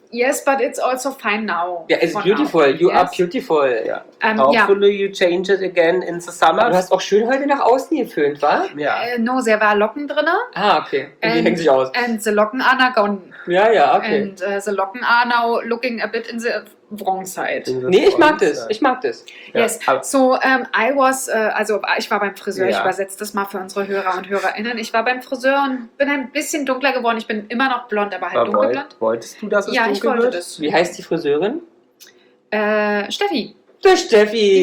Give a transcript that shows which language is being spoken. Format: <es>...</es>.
<en>Yes, but it's also fine now. Yeah, it's beautiful. Now. You are beautiful. Yeah. Hopefully you change it again in the summer.</en> <de>Du hast auch schön heute nach außen geföhnt, wa? Ja.</de> <en>No, there were Locken drin.</en> <de>Ah, okay. Und die hängen sich aus.</de> <en>And the Locken are now gone.</en> <de>Ja, ja, okay.</de> <en>And the Locken are now looking a bit in the wrong side.</en> <de>Ich mag das. Ja. Yes. So, ich war beim Friseur, ja. Ich übersetze das mal für unsere Hörer und HörerInnen. Ich war beim Friseur und bin ein bisschen dunkler geworden. Ich bin immer noch blond, aber halt aber dunkelblond. Wolltest du, dass es ja, dunkel wird? Wie heißt die Friseurin? Steffi. Der Steffi.</de>